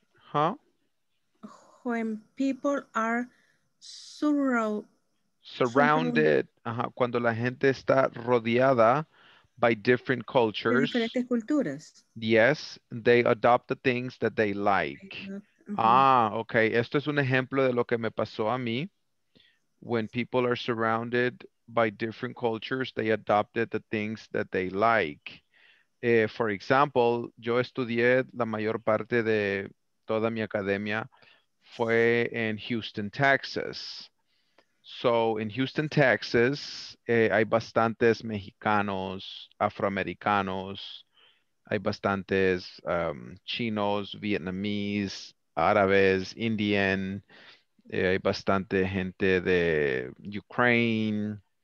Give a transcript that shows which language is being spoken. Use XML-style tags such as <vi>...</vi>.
<en>Huh? When people are surrounded,</en> <es>cuando la gente está rodeada</es> <en>by different cultures,</en> <es>diferentes culturas.</es> <en>Yes, they adopt the things that they like. Uh-huh.</en> <es>Ah, okay, esto es un ejemplo de lo que me pasó a mí.</es> <en>When people are surrounded by different cultures, they adopted the things that they like. For example,</en> <es>yo estudié la mayor parte de toda mi academia fue en Houston, Texas.</es> <en>So in Houston, Texas,</en> <es>hay bastantes mexicanos, afroamericanos, hay bastantes chinos, vietnamese, árabes, indian, hay bastante gente de Ukraine.</es>